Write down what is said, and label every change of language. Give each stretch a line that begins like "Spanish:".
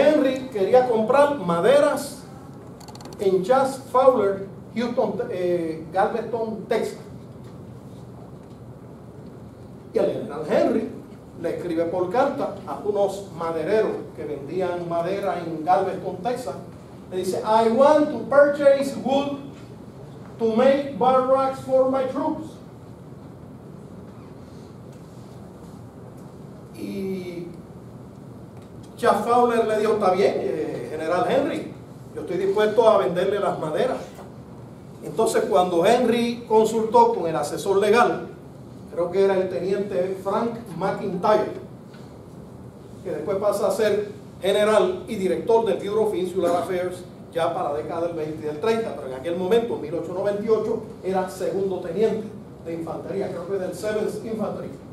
Spanish: Henry quería comprar maderas en Chas Fowler, Houston, Galveston, Texas. Y el general Henry le escribe por carta a unos madereros que vendían madera en Galveston, Texas. Le dice:
English: I want to purchase wood to make barracks for my troops.
Spanish: Y Chas Fowler le dijo: está bien, general Henry, yo estoy dispuesto a venderle las maderas. Entonces, cuando Henry consultó con el asesor legal, creo que era el teniente Frank McIntyre, que después pasa a ser general y director del Bureau of Insular Affairs ya para la década del 20 y del 30, pero en aquel momento, en 1898, era segundo teniente de infantería, creo que del 7th Infantry.